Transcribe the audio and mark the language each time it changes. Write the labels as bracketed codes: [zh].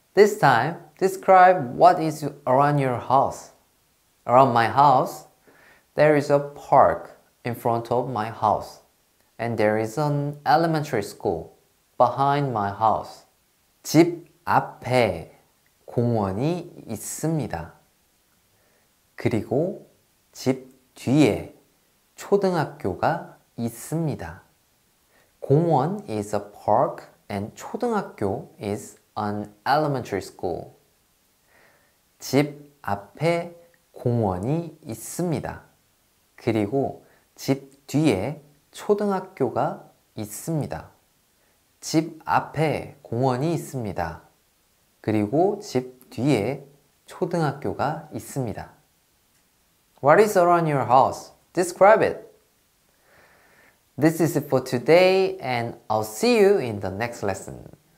[en] This time, describe what is around your house. Around my house, there is a park in front of my house. And there is an elementary school behind my house. [ko] 집 앞에 공원이 있습니다. 그리고 집 뒤에 초등학교가 있습니다. [en] 공원 is a park and 초등학교 is an elementary school. [ko] 집 앞에 공원이 있습니다. 그리고 집 뒤에 초등학교가 있습니다. 집 앞에 공원이 있습니다. 그리고 집 뒤에 초등학교가 있습니다. [en] What is around your house? Describe it. This is it for today, and I'll see you in the next lesson.